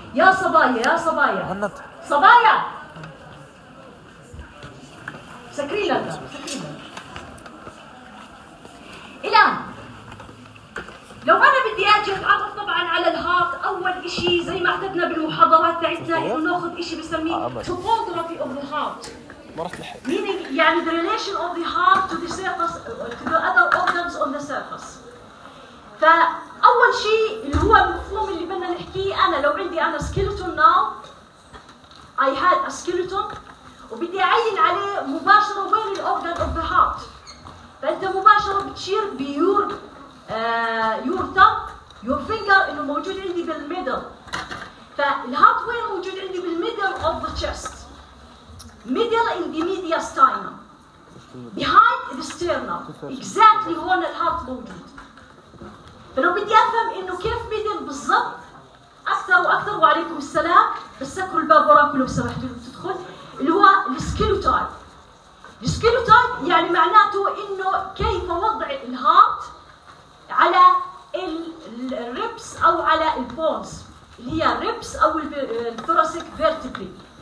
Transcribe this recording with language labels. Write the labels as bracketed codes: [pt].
[ar] يا صبايا يا صبايا صبايا سكرين الآن لو أنا بدي أجي أتعرف طبعا على الهارت أول إشي زي ما اعتدنا بالمحاضرات تاعتنا إنه نأخذ إشي بسميه [en] topography of the heart. Meaning, يعني the relation of the heart to the surface, to the other organs on the surface. [ar] فأول شيء اللي هو المفهوم اللي بدنا نحكيه أنا لو عندي أنا [en] skeleton now, I had a skeleton, [ar] وبدي أعين عليه مباشرة وين [en] the organ of the heart. [ar] فأنت مباشرة بتشير بيور [en] your thumb, your finger [ar] إنه موجود عندي بالميدل. فالheart وين موجود عندي بالميدل [en] of the chest. Middle in the mediastinum, behind the sternum, exactly [ar] هون الهارت موجود. فلو بدي أفهم إنه كيف ميدل بالضبط أكثر وأكثر وعليكم السلام بسكروا الباب وراكم لو سمحتوا لو تدخل اللي هو السكيلوتايد. السكيلوتايد يعني معناته إنه كيف وضع الهارت على الريبس أو على البونز اللي هي الريبس أو الثوراسيك فيرتيبري.